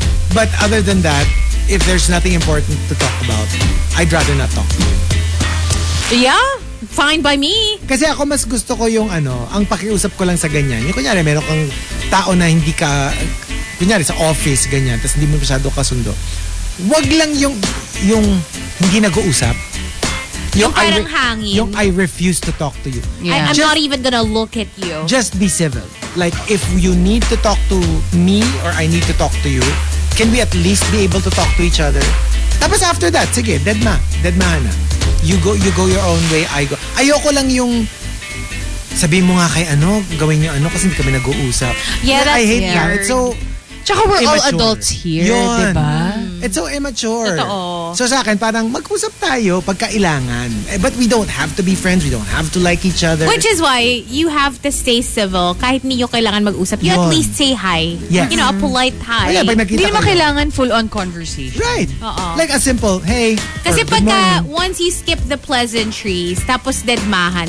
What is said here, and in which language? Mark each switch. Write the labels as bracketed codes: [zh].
[en] But other than that, if there's nothing important to talk about, I'd rather not talk to you. Yeah, fine by me. [tl] Kasi ako mas gusto ko yung ano, ang pakiusap ko lang sa ganyan. Yung kunyari, meron kang tao na hindi ka, kunyari sa office, ganyan, tapos hindi mo masyado kasundo. Wag lang yung hindi nag-uusap. Yung parang hangin. [en] I refuse to talk to you. Yeah. I'm not even gonna look at you. Just be civil. Like, if you need to talk to me or I need to talk to you, can we at least be able to talk to each other? Tapos after that, [tl] sige, dead ma na. [en] You go your own way, I go. [tl] Ayoko lang yung sabihin mo nga kay ano, gawin niyo ano kasi hindi kami nag-uusap. [en] Yeah, that's I hate that. It's so [tl] tsaka [en] we're immature. All adults here, yun. Diba? It's so immature. [tl] Totoo. So sa akin, parang mag-usap tayo pagkailangan. [en] But we don't have to be friends. We don't have to like each other. Which is why you have to stay civil. [tl] Kahit niyo kailangan mag-usap, [en] you yun. At least say hi. Yes. You know, a polite hi. Ay, yeah, [tl] hindi naman kailangan full-on conversation. [en] Right. Uh-oh. Like a simple, hey. [tl] Kasi pagka, [en] once you skip the pleasantries, [tl] tapos deadmahan,